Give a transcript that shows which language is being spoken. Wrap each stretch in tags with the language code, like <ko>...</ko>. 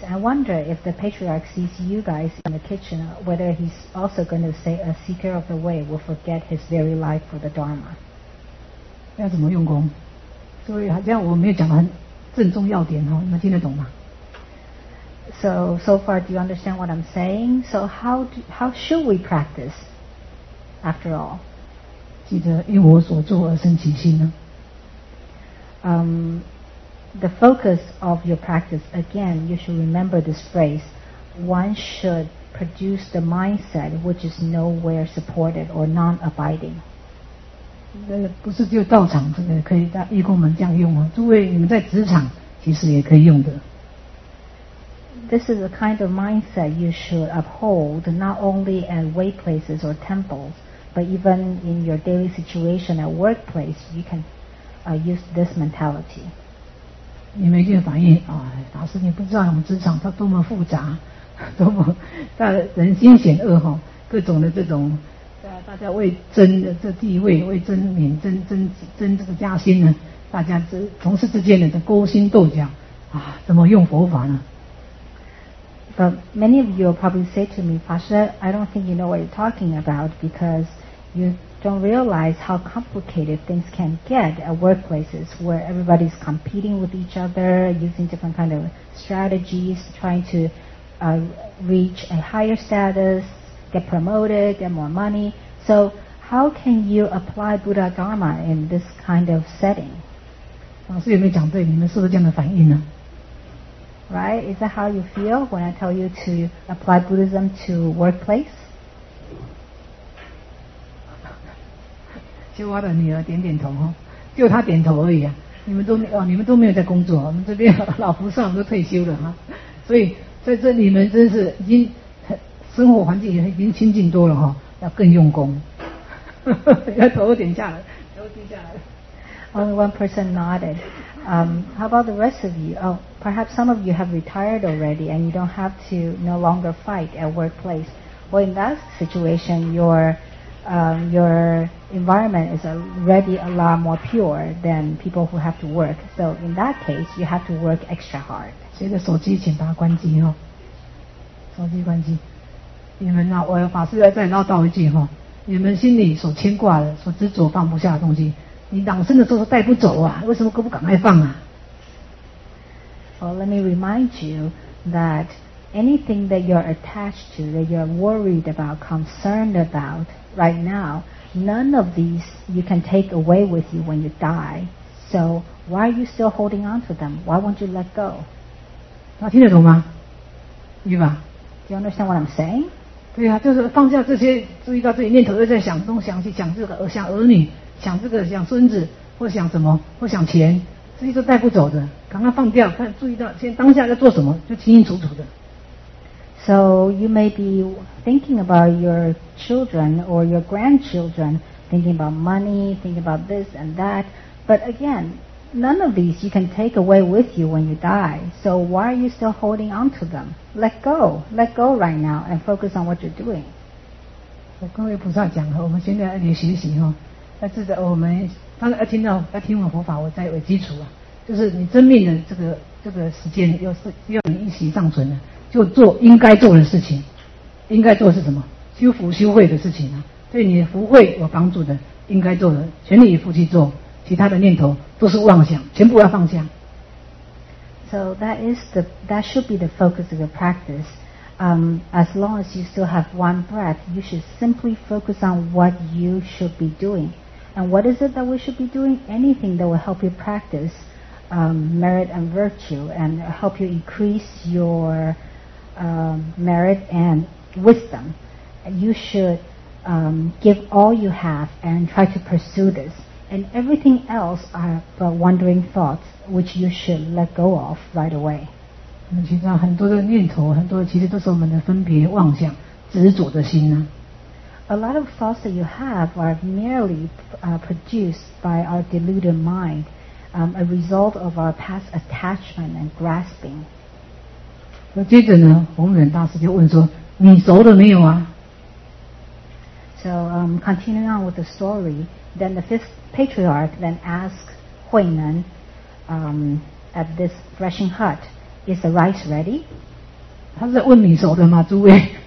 <en>I wonder if the patriarch sees you guys in the kitchen, whether he's also going to say, a seeker of the way will forget his very life for the Dharma.</en> <zh>要怎么用功？所以好像我没有讲得很正中要点哦，你们听得懂吗？</zh> <en>So far, do you understand what I'm saying? So how should we practice? After all,</en> <zh>记得因我所做而生起心呢。</zh> <en>The focus of your practice, again, you should remember this phrase. One should produce the mindset which is nowhere supported or non-abiding.</en> <zh>那不是就道场这个可以让义工们这样用啊？诸位，你们在职场其实也可以用的。</zh> <en>This is the kind of mindset you should uphold, not only at workplaces or temples. But even in your daily situation at workplace, you can use this mentality.</en> <zh>你们就反映啊，法师，你不知道我们职场它多么复杂，多么大人心险恶哈，各种的这种，大家为争这地位，为争名，争这个加薪呢，大家同事之间的勾心斗角啊，怎么用佛法呢？</zh> <en>But many of you will probably say to me, Pasha, I don't think you know what you're talking about because you don't realize how complicated things can get at workplaces where everybody's competing with each other, using different kind of strategies, trying to reach a higher status, get promoted, get more money. So how can you apply Buddha Dharma in this kind of setting?</en> <zh>老师有没有讲对？你们是不是这样的反应呢？</zh> <en>Right? Is that how you feel when I tell you to apply Buddhism to workplace?</en> <zh>秋花的女儿点点头哈，就她点头而已啊。你们都没有在工作，我们这边老菩萨都退休了哈。所以在这里面真是已经生活环境也已经清净多了哈，要更用功。要头点下来，头低下来。</zh> <en>Only one person nodded. How about the rest of you? Oh. Perhaps some of you have retired already and you don't have to no longer fight at workplace. Well, in that situation, your environment is already a lot more pure than people who have to work. So in that case, you have to work extra hard.</en> <zh>所以这手机请把它关机哦。手机关机。你们啊，我法师要再唠叨一句哈，你们心里所牵挂的、所执着放不下的东西，你往生的时候带不走啊，为什么可不赶快放啊？</zh> <en>Well, let me remind you that anything that you're attached to, that you're worried about, concerned about right now, none of these you can take away with you when you die. So why are you still holding on to them? Why won't you let go?</en> <zh>听得懂吗？明白？</zh> <en>Do you understand what I'm saying?</en> <zh>对啊，就是放下这些，注意到这些念头，又在想东想西，想这个，想儿女，想这个，想孙子，或想什么，或想钱，这些都带不走的。赶快放掉，看注意到现在当下在做什么，就清清楚楚的。</zh> <en>So you may be thinking about your children or your grandchildren, thinking about money, thinking about this and that, but again, none of these you can take away with you when you die. So why are you still holding on to them? Let go. Let go right now and focus on what you're doing.</en> <zh>我跟各位菩萨讲了，我们现在要练习习哦，要知道我们当然要听到要听闻佛法，我在为基础啊，就是你真命的这个时间要你一息尚存的。就做应该做的事情，应该做的是什么？修福修慧的事情啊，对你的福慧有帮助的，应该做的，全力以赴去做。其他的念头都是妄想，全部要放下。</zh> <en>So that should be the focus of your practice. As long as you still have one breath, you should simply focus on what you should be doing. And what is it that we should be doing? Anything that will help you practice merit and virtue, and help you increase your merit and wisdom. You should give all you have and try to pursue this. And everything else are but wandering thoughts, which you should let go of right away.</en> <zh>我们其实很多的念头，很多其实都是我们的分别妄想、执着的心呢。</zh> <en>A lot of thoughts that you have are merely produced by our deluded mind, a result of our past attachment and grasping.</en> <zh>那接着呢，弘忍大师就问说：“你熟了没有啊？”</zh> <en>So, continuing on with the story, then the fifth patriarch then asked 慧能, at this threshing hut, "Is the rice ready?"</en> <zh>他是在问你熟的吗，诸位</zh>